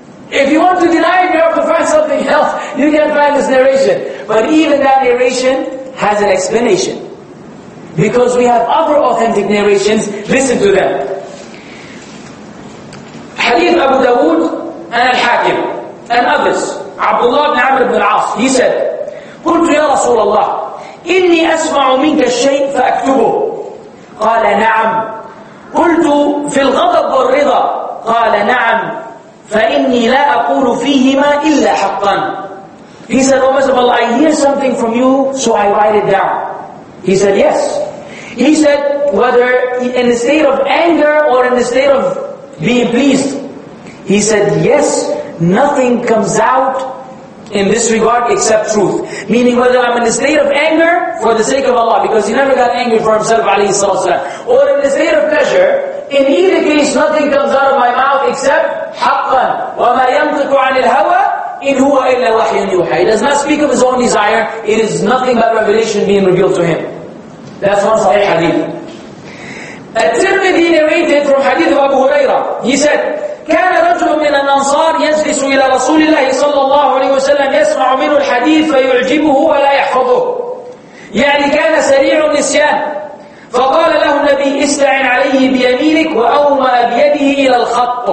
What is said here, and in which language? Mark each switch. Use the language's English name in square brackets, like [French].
[English] If you want to deny it, you have to find something else. You can't find this narration. But even that narration has an explanation. Because we have other authentic narrations, listen to them. Hadith Abu Dawood and Al-Hakim and others. Abdullah ibn Amr ibn al-As, he said, [Arabic] قُلْتُ يَا رَسُولَ اللَّهِ إني أسمع منك الشيء فأكتبه. قال نعم. قلت في الغضب والرضا. قال نعم. فإني لا أقول فيهما إلا حقا. [English] He said, oh Messenger of Allah, I hear something from you, so I write it down. He said, yes. He said, whether in the state of anger or in the state of being pleased. He said, yes, nothing comes out in this regard except truth. Meaning whether I'm in a state of anger for the sake of Allah, because he never got angry for himself, alayhi salallahu alayhi wa sallam, or in a state of pleasure, in either case nothing comes out of my mouth except [Arabic] حَقًّا وَمَا يَنْطِقُ عَنِ الْهَوَى إِنْ هُوَ إِلَّا وَحْيٌ يُوحَى. [English] He does not speak of his own desire, it is nothing but revelation being revealed to him. That's one sahih hadith. At-Tirmidhi narrated from hadith of Abu Hurairah, he said, [Arabic] كان رجل من الأنصار يجلس إلى رسول الله صلى الله عليه وسلم يسمع منه الحديث فيعجبه ولا يحفظه، يعني كان سريع النسيان. فقال له النبي استعن عليه بيمينك وأومى بيده إلى الخط.